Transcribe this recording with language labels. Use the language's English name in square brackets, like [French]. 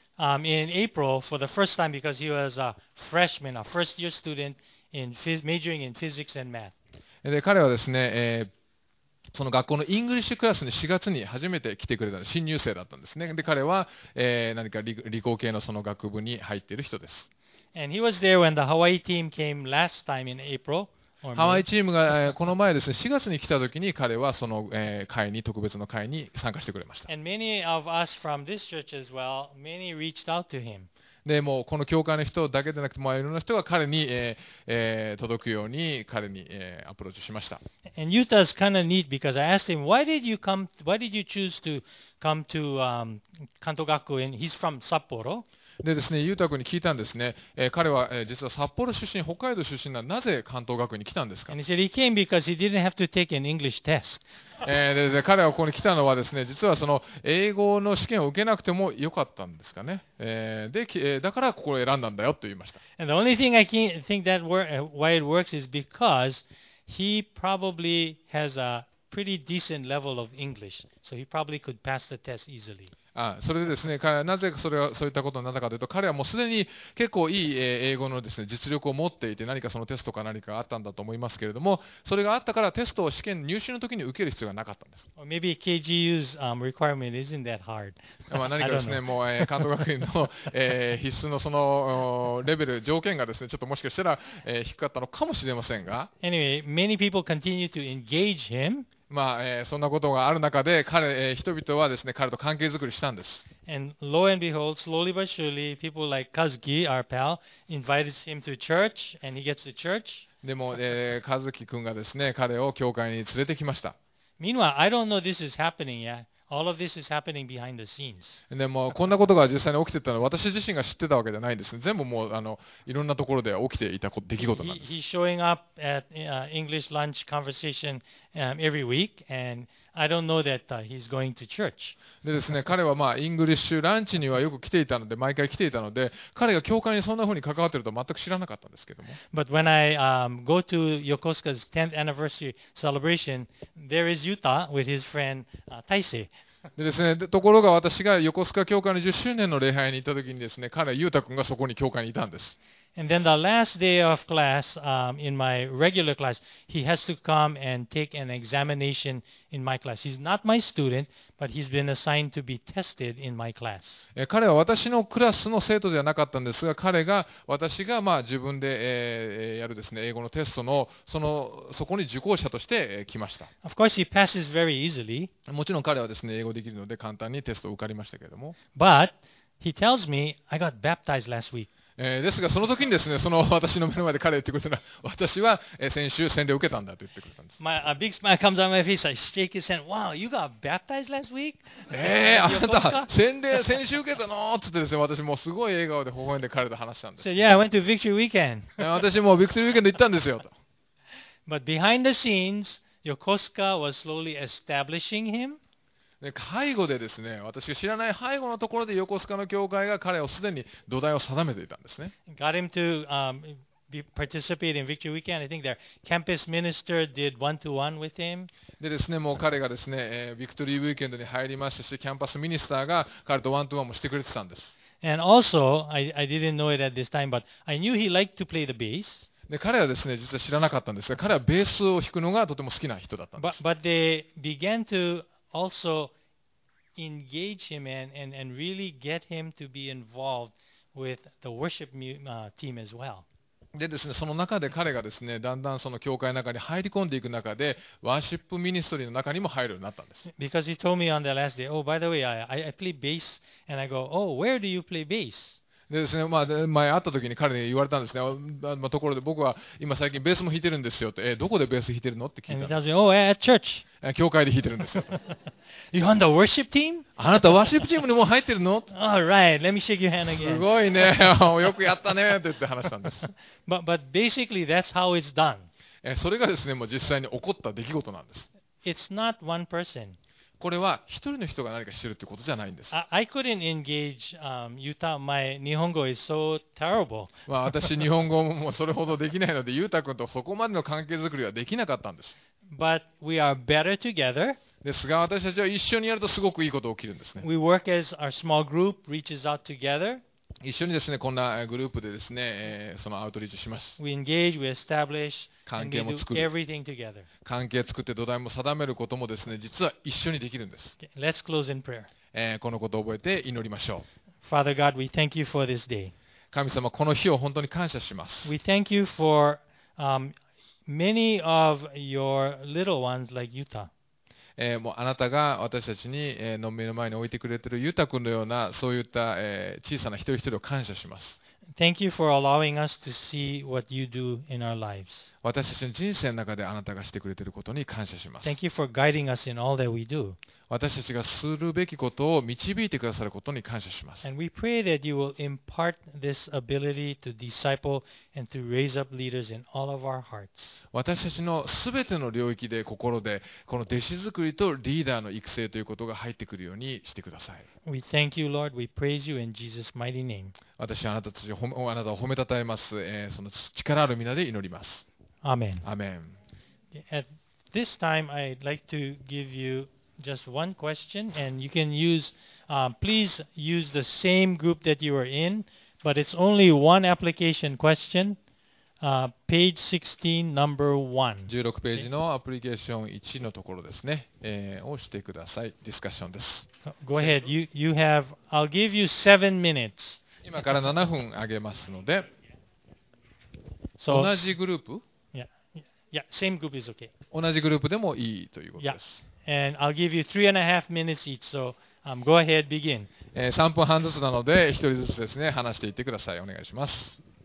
[English] In April for the first time because he was a freshman, a first year student in majoring in physics and math. [Japanese] で彼はですね、その学校のイングリッシュクラスに4月に初めて来てくれた新入生だったんですね。で彼は、何か理工系のその学部に入っている人です。 [English] And he was there when the Hawaii team came last time in April. [Japanese] ハワイチームがこの前ですね、4月に来た時に彼はその会に、特別の会に参加してくれました。で、でもうこの教会の人だけでなくて、まあ、いろんな人が彼に、届くように彼に、アプローチしました。 [English] And Yuta is kind of neat because I asked him, why did you come, why did you choose to come to、Kanto Gakuen? He's from Sapporo. [Japanese] でですね、ユータ君に聞いたんですね、彼は、実は札幌出身、北海道出身なのになぜ関東学院に来たんですか。 [English] And he said he came because he didn't have to take an English test. [Japanese] で彼はここに来たのはですね、実はその英語の試験を受けなくてもよかったんですかね、だからここを選んだんだよと言いました。 [English] And the only thing I think that why it works is because he probably has a pretty decent level of English, so he probably could pass the test easily. [Japanese] それでですね、彼はなぜそれはそういったことになったかというと、彼はもうすでに結構いい英語のですね、実力を持っていて、何かそのテストか何かあったんだと思いますけれども、それがあったからテストを試験入試の時に受ける必要がなかったんです。 [English] Maybe KGU's requirement isn't that hard. [Japanese] 何かですね、もう関東学院の必須のそのレベル条件がですね、ちょっともしかしたら低かったのかもしれませんが。 [English] Anyway, many people continue to engage him. [Japanese] まあそんなことがある中で彼、人々はですね、彼と関係づくりしたんです。 [English] And lo and behold, slowly but surely, people like Kazuki, our pal, invited him to church, and he gets to church. [Japanese] でも、Kazuki君がですね、彼を教会に連れてきました。 [English] Meanwhile, I don't know this is happening yet. All of this is happening behind the scenes. [Japanese] でも、こんなことが実際に起きてたのは私自身が知ってたわけじゃないんです。全部もういろんなところで起きていた出来事なんです。 [English] He's showing up at English lunch conversationevery week, and I don't know that he's going to church. [Japanese] でですね、彼はまあイングリッシュランチにはよく来ていたので、毎回来ていたので、彼が教会にそんな風に関わっていると全く知らなかったんですけども。 [English] But when I go to Yokosuka's 10th anniversary celebration, there is Yuta with his friend Taisei. [Japanese] でですね、ところが私が横須賀教会の10周年の礼拝に行った時にですね、彼はユータ君がそこに教会にいたんです。 [English] And then the last day of class, in my regular class, he has to come and take an examination in my class. He's not my student, but he's been assigned to be tested in my class. [Japanese] 彼は私のクラスの生徒ではなかったんですが、彼が私がまあ自分で、やるですね、英語のテストの、そこに受講者として、来ました。 [English] Of course, he passes very easily. [Japanese] もちろん彼はですね、英語できるので簡単にテストを受かりましたけれども。 [English] But he tells me, I got baptized last week. [Japanese] ですがその時にですね、その私の目の前で彼が言ってくれたのは、私は先週洗礼を受けたんだと言ってくれたんです。 [English] A big smile comes on my face. I shake his hand. Wow, you got baptized last week? [Japanese] あなた洗礼先週受けたのって言ってですね、私もすごい笑顔で微笑んで彼と話したんです。 [English] So, yeah, I went to Victory Weekend. [Japanese] 私もVictory Weekend行ったんですよと。 [English] But behind the scenes, Yokosuka was slowly establishing him. [Japanese] で背後でですね、私が知らない背後のところで横須賀の教会が彼をすでに土台を定めていたんですね。 [English] Got him to participate in Victory Weekend. I think their campus minister did one-to-one with him. [Japanese] でですね、もう彼がですね、Victory Weekend に入りましたし、キャンパスミニスターが彼とワントゥーワンもしてくれてたんです。 [English] And also, I didn't know it at this time, but I knew he liked to play the bass. [Japanese] で彼はですね、実は知らなかったんですが、彼はベースを弾くのがとても好きな人だったんです。 [English] But they began to also engage him and really get him to be involved with the worship team as well. [Japanese] でですね、その中で彼がですね、だんだんその教会の中に入り込んでいく中で、ワーシップミニストリーの中にも入るようになったんです。 [English] Because he told me on the last day, oh, by the way, I play bass. And I go, oh, where do you play bass? [Japanese] でですね、まあ、前会った時に彼に言われたんですね、まあ、ところで僕は今最近ベースも弾いてるんですよって、どこでベース弾いてるのって聞いたんです。 [English] Oh, at church. [Japanese] 教会で弾いてるんですよ。 [English] You on the worship team? [Japanese] あなたワーシップチームにも入ってるの。 [English] All right, let me shake your hand again. [Japanese] すごいね、よくやったねって言って話したんです。 [English] But basically that's how it's done. [Japanese] それがですね、もう実際に起こった出来事なんです。 [English] It's not one person. [Japanese] これは一人の人が何かしてるってことじゃないんです。 [English] I couldn't engage Yuta. My 日本語 is so terrible. [Japanese] まあ私日本語もそれほどできないので、ユータ君とそこまでの関係づくりはできなかったんです。 [English] But we are better together. [Japanese] ですが私たちは一緒にやるとすごくいいことが起きるんですね。 [English] We work as our small group reaches out together. [Japanese] 一緒にですね、こんなグループでですね、そのアウトリーチします。 [English] We engage, we establish. [Japanese] 関係も作る、関係作って土台も定めることもですね、実は一緒にできるんです。 [English] Let's close in prayer. [Japanese] このことを覚えて祈りましょう。 [English] Father God, we thank you for this day. [Japanese] 神様、この日を本当に感謝します。 [English] We thank you for many of your little ones like Yuta. [Japanese] もうあなたが私たちに、の目の前に置いてくれているユタ君のようなそういった、小さな一人一人を感謝します。 [English] Thank you for allowing us to see what you do in our lives. [Japanese] 私たちの人生の中であなたがしてくれていることに感謝します。 [English] Thank you for guiding us in all that we do. [Japanese] 私たちがするべきことを導いてくださることに感謝します。 [English] And we pray that you will impart this ability to disciple and to raise up leaders in all of our hearts. [Japanese] 私たちのすべての領域で心でこの弟子作りとリーダーの育成ということが入ってくるようにしてください。 [English] We thank you, Lord. We praise you in Jesus' mighty name. [Japanese] 私はあなたを褒めたたえます。その力ある皆で祈ります。アーメン。アーメン。 [English] At this time, I'd like to give you just one question, and you can use, please use the same group that you are in, but it's only one application question. Page 16, number 1. [Japanese] 16ページのアプリケーション1のところですね。をしてください。ディスカッションです。 [English] So, go ahead. You have. I'll give you 7 minutes. [Japanese] 今から7分あげますので、同じグループ、 [English] same group is okay. [Japanese] 同じグループでもいいということです。 [English] And I'll give you 3.5 minutes each, so go ahead, begin. [Japanese] 3分半ずつなので、1人ずつですね、話していってください。お願いします。